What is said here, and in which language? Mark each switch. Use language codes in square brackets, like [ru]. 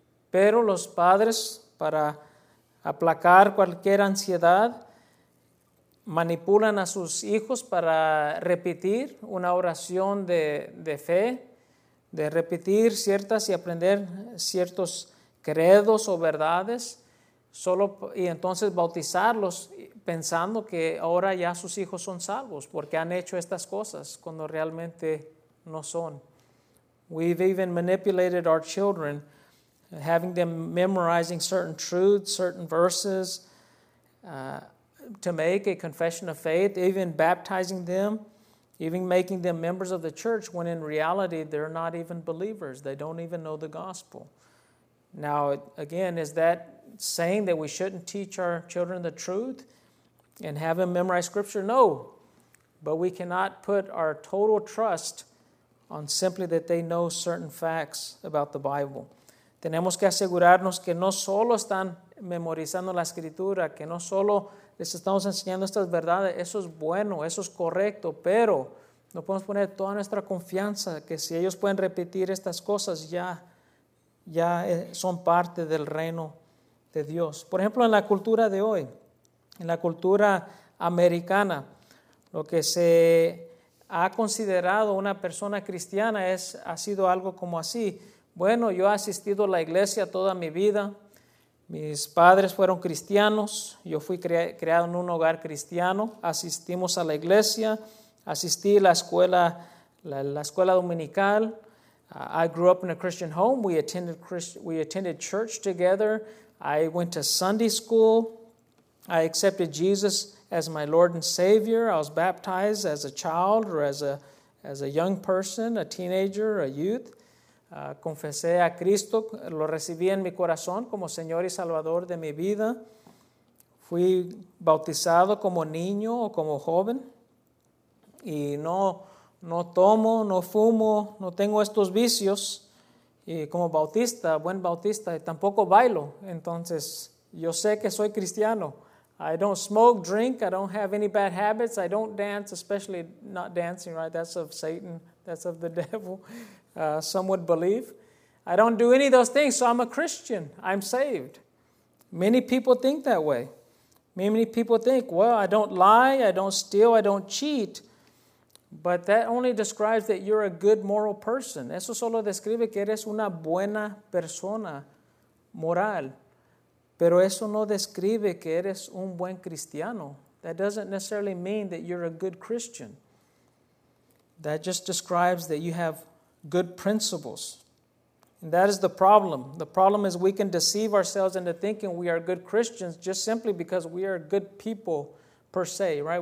[es] Pero los padres, para aplacar cualquier ansiedad, manipulan a sus hijos para repetir una oración de fe, de repetir ciertas y aprender ciertos credos o verdades. Solo y entonces bautizarlos pensando que ahora ya sus hijos son salvos porque han hecho estas cosas cuando realmente no son. [en] We've even manipulated our children, having them memorizing certain truths, certain verses, to make a confession of faith, even baptizing them, even making them members of the church when in reality they're not even believers. They don't even know the gospel. Now, again, is that saying that we shouldn't teach our children the truth and have them memorize scripture? No, but we cannot put our total trust on simply that they know certain facts about the Bible. [es] Tenemos que asegurarnos que no solo están memorizando la escritura, que no solo les estamos enseñando estas verdades. Eso es bueno, eso es correcto, pero no podemos poner toda nuestra confianza que si ellos pueden repetir estas cosas, ya son parte del reino de Dios. Por ejemplo, en la cultura de hoy, en la cultura americana, lo que se ha considerado una persona cristiana ha sido algo como así. Bueno, yo he asistido a la iglesia toda mi vida. Mis padres fueron cristianos. Yo fui creado en un hogar cristiano. Asistimos a la iglesia. Asistí a la escuela dominical. [en] I grew up in a Christian home. We attended church together. I went to Sunday school. I accepted Jesus as my Lord and Savior. I was baptized as a child or as a young person, a teenager, a youth. [es] Confesé a Cristo, lo recibí en mi corazón como Señor y Salvador de mi vida. Fui bautizado como niño o como joven. Y no tomo, no fumo, no tengo estos vicios. Y como bautista, buen bautista, tampoco bailo. Entonces, yo sé que soy cristiano. [en] I don't smoke, drink, I don't have any bad habits. I don't dance, especially not dancing, right? That's of Satan, that's of the devil, some would believe. I don't do any of those things, so I'm a Christian. I'm saved. Many people think that way. Many people think, well, I don't lie, I don't steal, I don't cheat. But that only describes that you're a good moral person. [es] Eso solo describe que eres una buena persona moral. Pero eso no describe que eres un buen cristiano. [en] That doesn't necessarily mean that you're a good Christian. That just describes that you have good principles. And that is the problem. The problem is we can deceive ourselves into thinking we are good Christians just simply because we are good people per se, right?